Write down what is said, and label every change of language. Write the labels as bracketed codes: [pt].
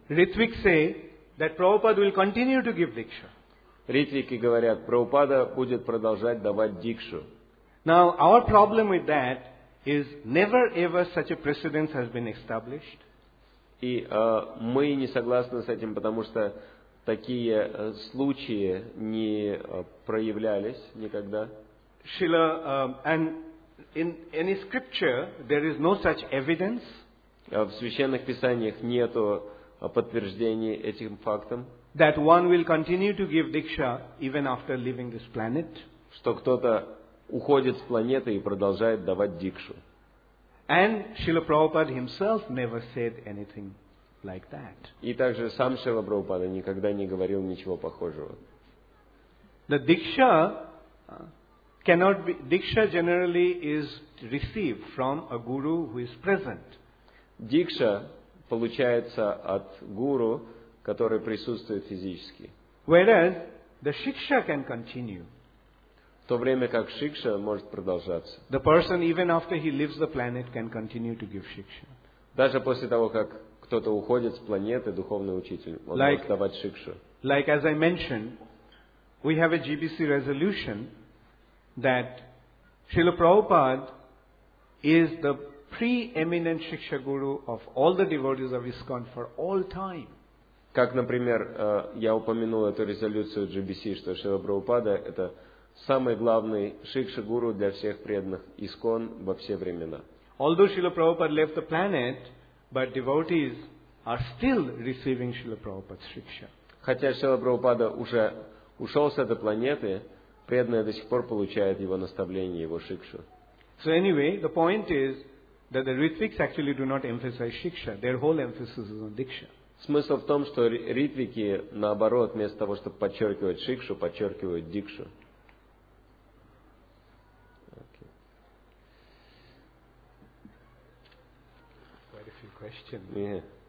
[en] Ritviks say that Prabhupada will continue to give diksha. [ru] Ритвики говорят, Прабхупада будет продолжать давать дикшу. [en] Now our problem with that is never ever such a precedence has been established. [ru] И мы не согласны с этим, потому что такие случаи не проявлялись никогда. [en] Srila, and in any scripture there is no such evidence. [ru] В священных писаниях нету подтверждений этим фактам. [en] That one will continue to give diksha even after leaving this planet. [ru] Что кто-то уходит с планеты и продолжает давать дикшу. [en] And Srila Prabhupada himself never said anything like that. [ru] И также сам Шрила Прабхупада никогда не говорил ничего похожего. [en] The diksha cannot be. Diksha generally is received from a guru who is present. [ru] Дикша получается от гуру, который присутствует физически. [en] Whereas the shiksha can continue. [ru] В то время как шикша может продолжаться. [en] The person even after he leaves the planet can continue to give shiksha. [ru] Даже после того, как кто-то уходит с планеты, духовный учитель может давать шикшу. [en] Like as I mentioned, we have a GBC resolution that Srila Prabhupada is the preeminent Shiksha Guru of all the devotees of ISKCON for all time. [ru] Как, например, я упомянул эту резолюцию GBC, что Шрила Прабхупада – это самый главный шикша-гуру для всех преданных ИСКОН во все времена. [en] Although Shrila Prabhupada left the planet, but devotees are still receiving Shrila Prabhupada's shiksha. [ru] Хотя Шрила Прабхупада уже ушел с этой планеты, преданные до сих пор получают его наставление, его шикшу. [en] So anyway, the point is that the Ritviks actually do not emphasize shiksha. Their whole emphasis is on diksha. [ru] Смысл в том, что ритвики, наоборот, вместо того, чтобы подчеркивать шикшу, подчеркивают дикшу. [en] Okay. Quite a few questions. Yeah.